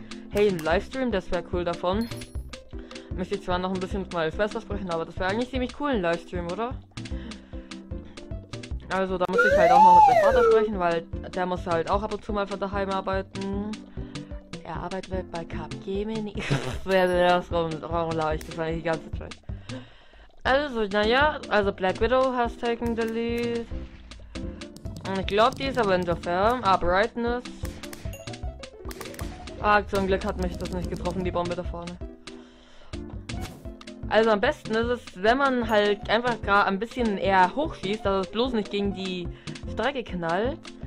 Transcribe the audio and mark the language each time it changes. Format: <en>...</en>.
<de>Hey, ein Livestream, das wäre cool davon. Müsste ich zwar noch ein bisschen mit meiner Schwester sprechen, aber das wäre eigentlich ziemlich cool, ein Livestream, oder? Also, da muss ich halt auch noch mit meinem Vater sprechen, weil der muss halt auch ab und zu mal von daheim arbeiten. Er arbeitet bei Capgemini. Warum laufe ich das eigentlich die ganze Zeit? Also, naja, also</de> <en>Black Widow has taken the lead.</en> <de>Ich glaube, die ist aber in der Firm. Ah, Brightness. Ah, zum Glück hat mich das nicht getroffen, die Bombe da vorne. Also am besten ist es, wenn man halt einfach gerade ein bisschen eher hochschießt, dass es bloß nicht gegen die Strecke knallt.</de>